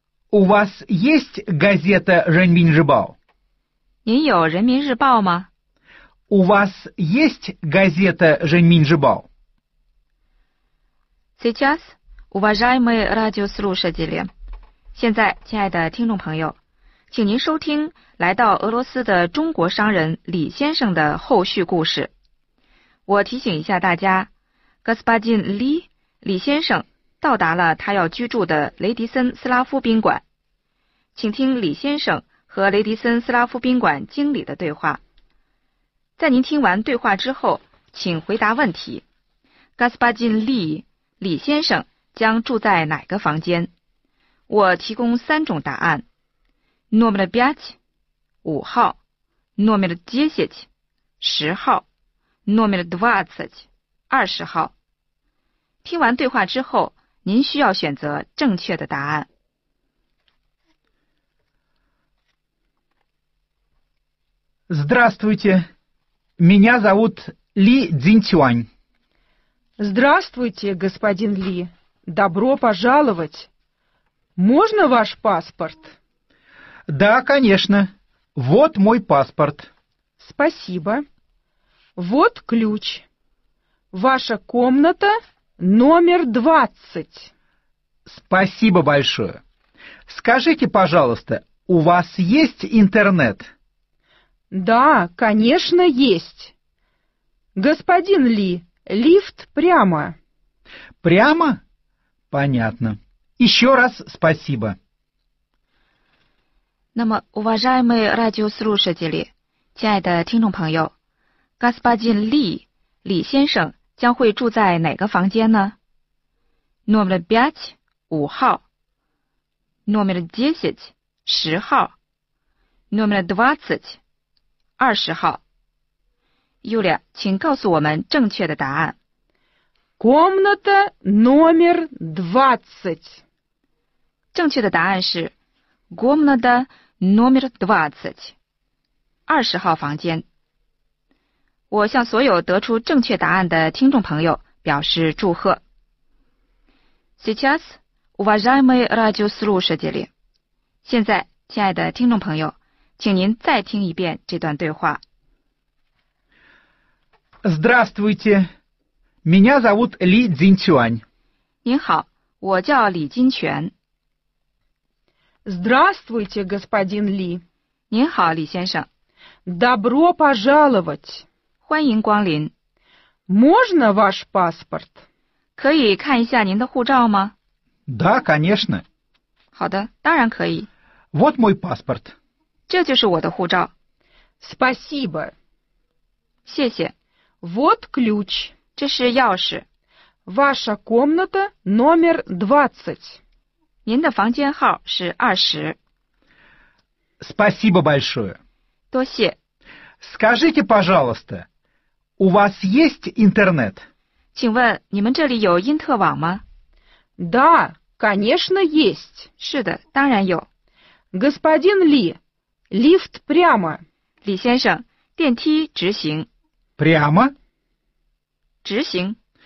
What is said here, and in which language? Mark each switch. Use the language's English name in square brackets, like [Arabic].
[Russian] У вас есть газета «Жэньминьжибао»? [Chinese] 您有人民日报吗? [Russian] У вас есть газета «Жэньминьжибао»? Сейчас, уважаемые радиослушатели, [Chinese] 现在，亲爱的听众朋友, 请您收听来到俄罗斯的中国商人李先生的后续故事。我提醒一下大家, господин Ли, 李先生到达了他要居住的雷迪森斯拉夫宾馆。请听李先生和雷迪森斯拉夫宾馆经理的对话。在您听完对话之后,请回答问题。господин Ли, 李先生将住在哪个房间？我提供三种答案 [Russian] номер 5, [Chinese] 5号 [Russian] номер 10, [Chinese] 10号 [Russian] номер 20, [Chinese] 20号 听完对话之后,您需要选择正确的答案 [Russian] Здравствуйте, меня зовут Ли Цзиньчуань. Здравствуйте, господин Ли. Добро пожаловать. Можно ваш паспорт? Да, конечно. Вот мой паспорт. Спасибо. Вот ключ. Ваша комната номер 20. Спасибо большое. Скажите, пожалуйста, у вас есть интернет? Да, конечно, есть. Господин Ли, лифт прямо. Прямо? Понятно. Еще раз спасибо. На мо, уважаемые радиослушатели, [Chinese] 亲爱的听众朋友 ，Господин Ли, 李先生将会住在哪个房间呢 ？ [Russian] Номер пять, [Chinese] 五号。 [Russian] Номер десять, [Chinese] 十号。 [Russian] Номер двадцать, [Chinese] 二十号。 Юля, 请告诉我们正确的答案。 [Russian] Комната номер двадцать. [Chinese] 正确的答案是 [Russian] Комната номер двадцать. [Chinese] 二十号房间。我向所有得出正确答案的听众朋友表示祝贺。 [Russian] Сейчас, уважаемые радиослушатели, [Chinese] 现在，亲爱的听众朋友，请您再听一遍这段对话。 [Russian] Здравствуйте, меня зовут Ли Цзиньчуань. [Chinese] 您好，我叫李金泉。 [Russian] Здравствуйте, господин Ли. [Chinese] 您好，李先生。 [Russian] Добро пожаловать. [Chinese] 欢迎光临。 [Russian] Можно ваш паспорт? [Chinese] 可以看一下您的护照吗？ [Russian] Да, конечно. [Chinese] 好的，当然可以。 [Russian] Вот мой паспорт. [Chinese] 这就是我的护照。 [Russian] Спасибо. [Chinese] 谢谢。 [Russian] Вот ключ. [Chinese] 这是钥匙。 [Russian] Ваша комната номер 20. [Chinese] 您的房间号是二十。 [Russian] Спасибо большое. [Chinese] 多谢。 [Russian] Скажите, пожалуйста, у вас есть интернет? [Chinese] 请问你们这里有因特网吗？ [Russian] Да, конечно, есть. [Chinese] 是的，当然有。 [Russian] Господин Ли, лифт прямо. [Chinese] 李先生，电梯直行。 [Russian] Прямо? [Chinese] 直行。